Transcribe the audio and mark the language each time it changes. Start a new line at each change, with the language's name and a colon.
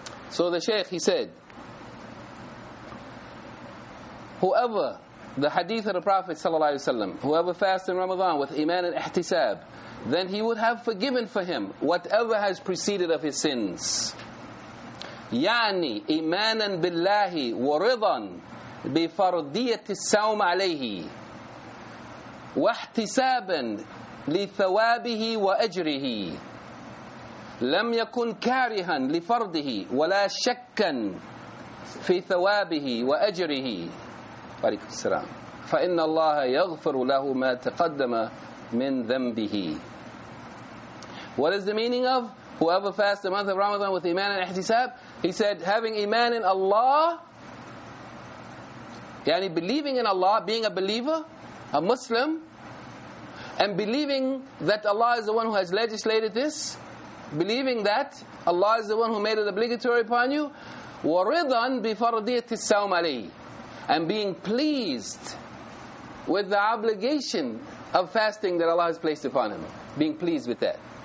English: So the Shaykh, he said, whoever, the hadith of the Prophet ﷺ, whoever fasts in Ramadan with iman and ihtisab, then he would have forgiven for him whatever has preceded of his sins.
Arabic: يعني إيمانا بالله ورضا بفرضية الصوم عليه واحتسابا لثوابه وأجره لم يكن كارها لفرضه ولا شكا في ثوابه وأجره عليكم السلام فإن الله يغفر له ما تقدم من ذنبه.
English: What is the meaning of whoever fasts the month of Ramadan with iman and ihtisab? He said, having iman in Allah, yani believing in Allah, being a believer, a Muslim, and believing that Allah is the one who has legislated this, believing that Allah is the one who made it obligatory upon you,
Arabic: وَرِضًا بِفَرْضِيَةِ السَّوْمَ عَلَيْهِ,
English: and being pleased with the obligation of fasting that Allah has placed upon him, being pleased with that.